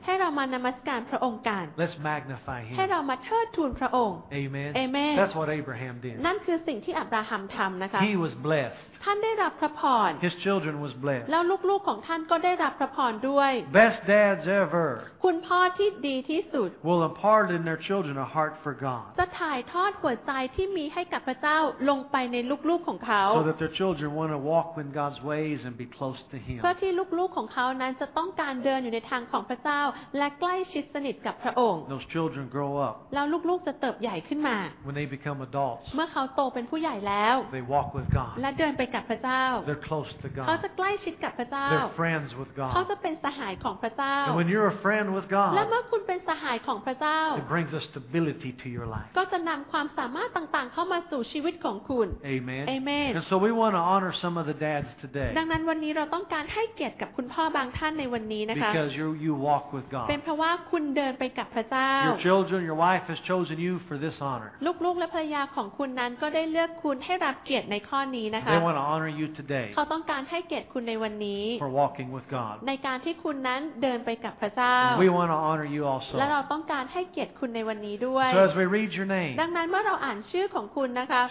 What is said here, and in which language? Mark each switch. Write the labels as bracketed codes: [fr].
[th] ให้เรามานมัสการพระองค์กัน [en] Let's magnify Him [th] ให้เรามาเทิดทูนพระองค์ [en] Amen Amen That's what Abraham did [th] นั่นคือสิ่งที่อับราฮัมทำนะคะ [en] He was blessed [th] ท่านได้รับพระพร [en] His children was blessed [th] แล้วลูกๆของท่านก็ได้รับพระพรด้วย [en] Best dads ever [th] คุณพ่อที่ดีที่สุด [en] Will impart in their children a heart for God [th] จะถ่ายทอดหัวใจที่มีให้กับพระเจ้าลงไปในลูกๆของเขา [en] So that their children want to walk in God's ways and be close to Him [th] เพื่อที่ลูกๆของเขานั้นจะต้องการเดินอยู่ในทางของพระเจ้าและใกล้ชิดสนิทกับพระองค์ [en] Those children grow up [th] แล้วลูกๆจะเติบใหญ่ขึ้นมา [en] When they become adults [th] เมื่อเขาโตเป็นผู้ใหญ่แล้ว [en] They walk with God [th] และเดินไปกับพระเจ้า [en] They're close to God [th] เขาจะใกล้ชิดกับพระเจ้า [en] They're friends with God [th] เขาจะเป็นสหายของพระเจ้า [en] And when you're a friend with God [th] และเมื่อคุณเป็นสหายของพระเจ้า [en] It brings a stability to your life [th] ก็จะนำความสามารถต่างๆเข้ามาสู่ชีวิตของคุณ [en] Amen Amen And so we want to honor some of the dads today [th] ดังนั้นวันนี้เราต้องการให้เกียรติกับคุณพ่อบางท่านในวันนี้นะคะ [en] Because you walk with God [th] เป็นเพราะว่าคุณเดินไปกับพระเจ้า [en] Your children your wife has chosen you for this honor [th] ลูกๆและภรรยาของคุณนั้นก็ได้เลือกคุณให้รับเกียรติในข้อนี้นะคะ [en] I want to honor you today. [th] เขาต้องการให้เกียรติคุณในวันนี้ [en] For walking with God. [th] ในการที่คุณนั้นเดินไปกับพระเจ้า [en] We want to honor you also. [th] และเราต้องการให้เกียรติคุณในวันนี้ด้วย [en] So as we read your name. [th] ดังนั้นเมื่อเราอ่านชื่อของคุณนะคะ